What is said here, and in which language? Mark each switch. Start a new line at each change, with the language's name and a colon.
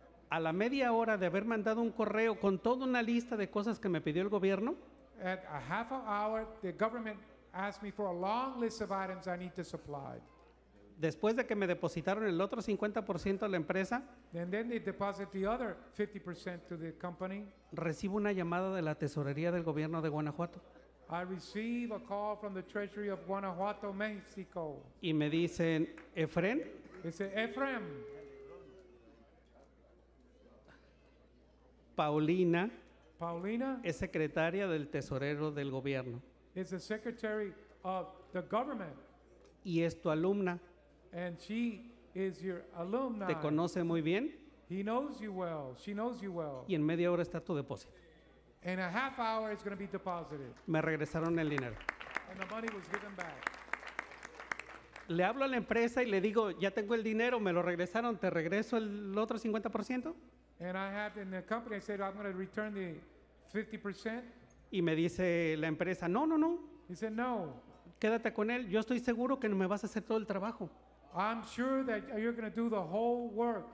Spanish: A la media hora de haber mandado un correo con toda una lista de cosas que me pidió el gobierno,
English: at a half an hour, the government asked me for a long list of items I need to supply.
Spanish: Después de que me depositaron el otro 50% a la empresa,
English: and then they deposit the other 50% to the company,
Spanish: recibo una llamada de la tesorería del gobierno de Guanajuato.
English: I receive a call from the treasury of Guanajuato, Mexico.
Spanish: Y me dicen, Efren. Dice, Efren. Paulina. Paulina. Es secretaria del tesorero del gobierno.
English: Is the secretary of the government.
Spanish: Y es tu alumna.
English: And she is your alumna.
Spanish: Te conoce muy bien.
English: He knows you well. She knows you well.
Spanish: Y en media hora está tu depósito.
English: In a half hour, it's going to be deposited.
Spanish: Me regresaron el dinero.
English: And the money was given back.
Spanish: Le hablo a la empresa y le digo, ya tengo el dinero, me lo regresaron, te regreso el otro 50%.
English: And I have in the company, I said, I'm going to return the 50%.
Spanish: Y me dice la empresa, no, no, no.
English: He said, no.
Spanish: Quédate con él, yo estoy seguro que no me vas a hacer todo el trabajo.
English: I'm sure that you're going to do the whole work.